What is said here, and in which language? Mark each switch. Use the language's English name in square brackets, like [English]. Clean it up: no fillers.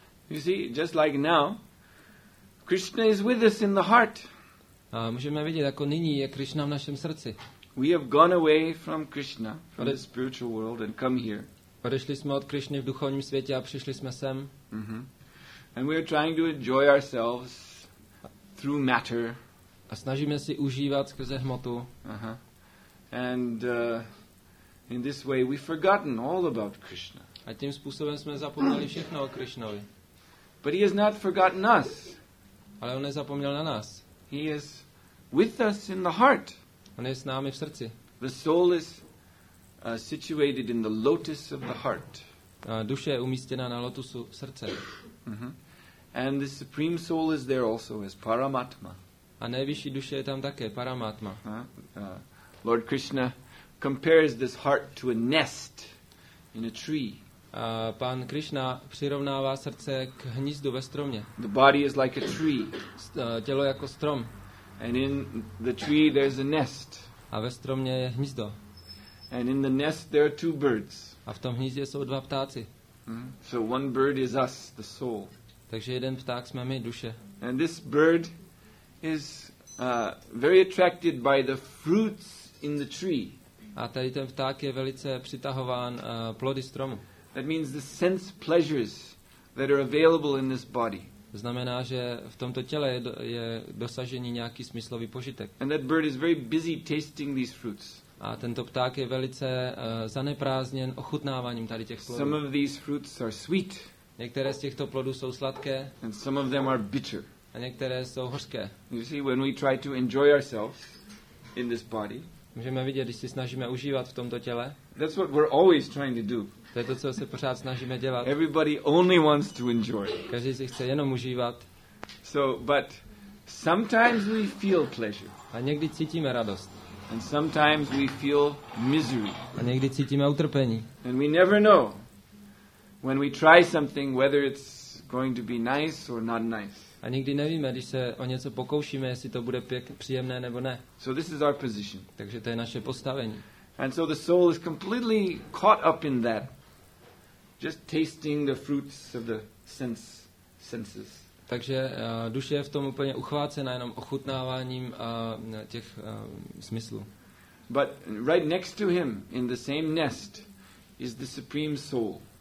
[English] You see, just like now, Krishna is with us in the heart. [Czech] A můžeme vidět, jako nyní je Krishna v našem srdci. [English] We have gone away from Krishna, from the spiritual world, and come here. [Czech] Odešli jsme od Krishny v duchovním světě a přišli jsme sem. Mm-hmm. [English] And we are trying to enjoy ourselves through matter. [Czech] A snažíme si užívat skrze hmotu. Uh-huh. [English] And in this way we've forgotten all about Krishna. [Czech] A tím způsobem jsme zapomněli všechno o Krishnovi. [English] But he has not forgotten us. [Czech] Ale on nezapomněl na nás. [English] He is with us in the heart. [Czech] On je s námi v srdci. [English] The soul is situated in the lotus of the heart. [Czech] A duše je umístěna na lotusu srdce. Uh-huh. [English] And the supreme soul is there also as Paramatma. [Czech] A nejvyšší duše je tam také, Paramatma. [English] Lord Krishna compares this heart to a nest in a tree. [Czech] Pan Krishna přirovnává srdce k hnízdu ve stromě. [English] The body is like a tree. [Czech] Tělo jako strom. [English] And in the tree there's a nest. [Czech] A ve stromě je hnízdo. [English] And in the nest there are two birds. [Czech] A v tom hnízdě jsou dva ptáci. [English] Mm-hmm. So one bird is us, the soul. [Czech] Takže jeden pták jsme my, duše. [English] And this bird is very attracted by the fruits in the tree. [Czech] A tady ten pták je velice přitahován plody stromu. [English] That means the sense pleasures that are available in this body. [Czech] Znamená, že v tomto těle je dosažení nějaký smyslový požitek. [English] And that bird is very busy tasting these fruits. [Czech] A tento pták je velice zaneprázdněn ochutnáváním tady těch plodů. [English] Some of these fruits are sweet. [Czech] Některé z těchto plodů jsou sladké. [English] And some of them are bitter. [Czech] A některé jsou hořké. [English] You see, when we try to enjoy ourselves in this body, [Czech] můžeme vidět, když si snažíme užívat v tomto těle. [English] That's what we're always trying to do. [Czech] To je to, co se pořád snažíme dělat. [English] Everybody only wants to enjoy. [Czech] Každý si chce jenom užívat. [English] So, but sometimes we feel pleasure. [Czech] A někdy cítíme radost. [English] And sometimes we feel misery. [Czech] A někdy cítíme utrpení. [English] And we never know when we try something whether it's going to be nice or not nice. [Czech] A nikdy nevíme, když se o něco pokoušíme, jestli to bude příjemné nebo ne. [English] So this is our position. [Czech] Takže to je naše postavení. [English] And so the soul is completely caught up in that. Just tasting the fruits of the senses. [Czech] Takže duše je v tom úplně uchvácena jenom ochutnáváním těch smyslů. [English] But right next to him in the same nest is the supreme soul.